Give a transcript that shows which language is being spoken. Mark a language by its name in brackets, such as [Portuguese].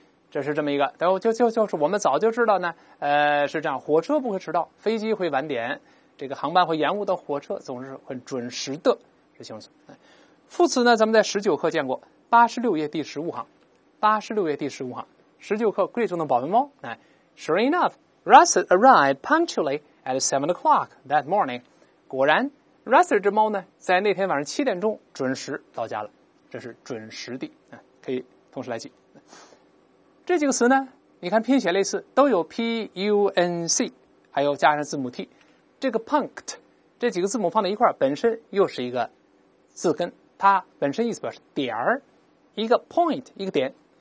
[Chinese] 这是这么一个，就是我们早就知道呢，是这样，火车不会迟到，飞机会晚点，这个航班会延误的，火车总是很准时的，是形容词。副词呢，咱们在19课见过，86页第15行，19课贵重的保温猫。 [English] Sure enough, Russet arrived punctually at 7 o'clock that morning. [Chinese] 果然 Russet 这猫呢，在那天晚上7点准时到家了，这是准时的，可以同时来记。这几个词呢，你看拼写类似，都有 P-U-N-C， 还有加上字母 T， 这个 punct 这几个字母放在一块本身又是一个字根，它本身意思表示点，一个 point 一个点，